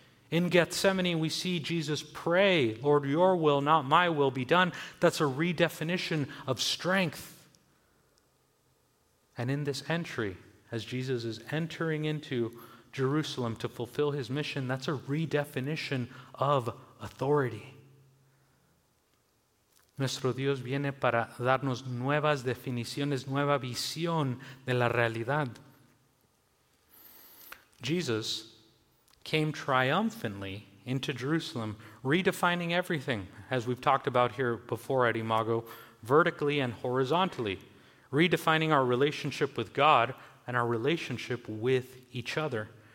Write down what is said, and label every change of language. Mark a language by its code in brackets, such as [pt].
[en] In Gethsemane, we see Jesus pray, Lord, your will, not my will be done. That's a redefinition of strength. And in this entry, as Jesus is entering into Jerusalem to fulfill his mission, that's a redefinition of authority. [es] Nuestro Dios viene para darnos nuevas definiciones, nueva visión de la realidad. [en] Jesus came triumphantly into Jerusalem, redefining everything, as we've talked about here before at Imago, vertically and horizontally, redefining our relationship with God and our relationship with each other.